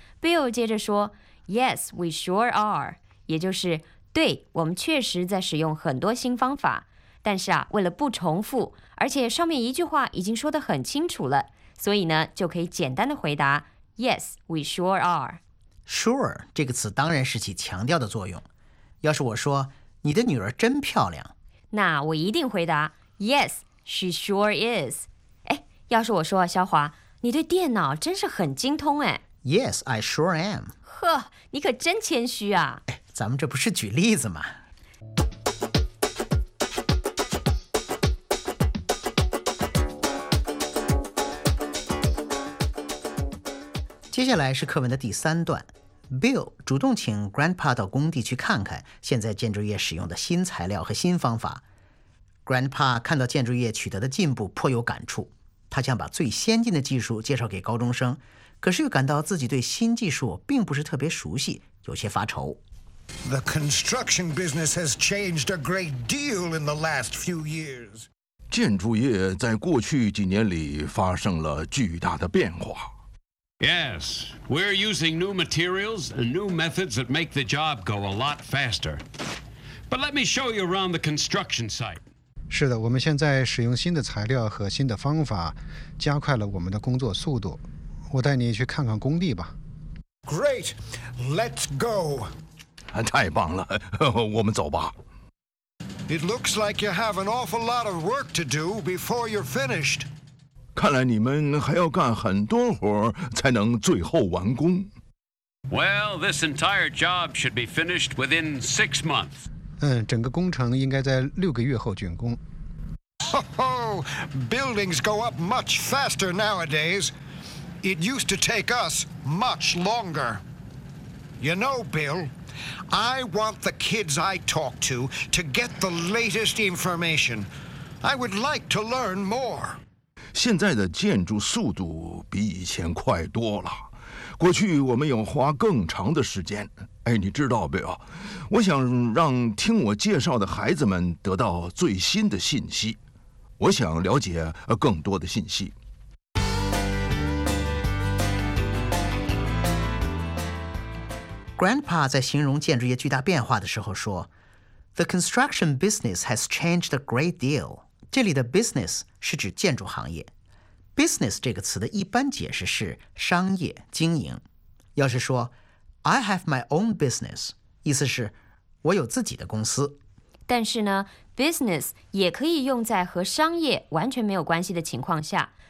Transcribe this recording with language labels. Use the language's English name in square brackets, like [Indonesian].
[Chinese] Bill 接着说 , [English] Yes, we sure are, [Chinese] 也就是对，我们确实在使用很多新方法。但是啊，为了不重复，而且上面一句话已经说得很清楚了，所以呢，就可以简单的回答 , [English] Yes, we sure are. [Chinese] Sure, 这个词当然是起强调的作用。要是我说你的女儿真漂亮，那我一定回答 , [English] Yes, she sure is. [Chinese] 哎，要是我说小华，你对电脑真是很精通哎。 [English] Yes, I sure am. [Chinese] 呵，你可真谦虚啊。哎，咱们这不是举例子吗？接下来是课文的第三段， Bill 主动请 Grandpa 到工地去看看现在建筑业使用的新材料和新方法。 Grandpa 看到建筑业取得的进步颇有感触，他想把最先进的技术介绍给高中生，可是又感到自己对新技术并不是特别熟悉，有些发愁。 [English] The construction business has changed a great deal in the last few years. [Chinese] 建筑业在过去几年里发生了巨大的变化。 [English] Yes, we're using new materials and new methods that make the job go a lot faster. But let me show you around the construction site. [Chinese] 是的，我们现在使用新的材料和新的方法，加快了我们的工作速度。我带你去看看工地吧。 [English] Great, let's go. [Chinese] 太棒了，我们走吧。 [English] It looks like you have an awful lot of work to do before you're finished. [Chinese] 看来你们还要干很多活才能最后完工。 [English] Well, this entire job should be finished within 6 months. [Chinese] 整个工程应该在6个月后竣工。 Ho ho! [English] Buildings go up much faster nowadays. It used to take us much longer. You know, Bill, I want the kids I talk to get the latest information. I would like to learn more. [Chinese] 现在的建筑速度比以前快多了。过去我们要花更长的时间。哎，你知道没有？我想让听我介绍的孩子们得到最新的信息。我想了解更多的信息。 Grandpa 在形容建筑业巨大变化的时候说 ： [English] “The construction business has changed a great deal。” [Chinese] 这里的 business 是指建筑行业。business 这个词的一般解释是商业经营。要是说 [English] I have my own business， [Chinese] 意思是我有自己的公司。但是呢 ，business 也可以用在和商业完全没有关系的情况下。